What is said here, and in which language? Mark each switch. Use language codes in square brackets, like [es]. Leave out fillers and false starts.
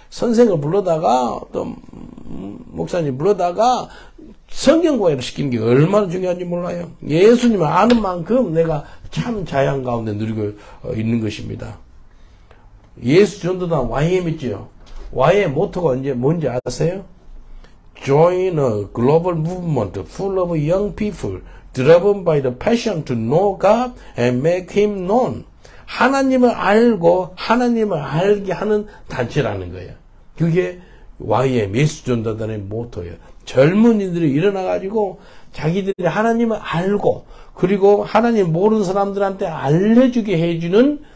[ko] 선생을 불러다가 또 목사님 불러다가 성경 과외를 시키는 게 얼마나 중요한지 몰라요. 예수님을 아는 만큼 내가 참 자연 가운데 누리고 있는 것입니다. 예수 전도단 YM 있죠. YM 모토가 언제 뭔지 아세요? [en] Join a global movement full of young people driven by the passion to know God and make him known. [ko] 하나님을 알고 하나님을 알게 하는 단체라는 거예요. 그게 YM 예수 전도단의 모토예요. 젊은이들이 일어나가지고 자기들이 하나님을 알고 그리고 하나님 모르는 사람들한테 알려주게 해주는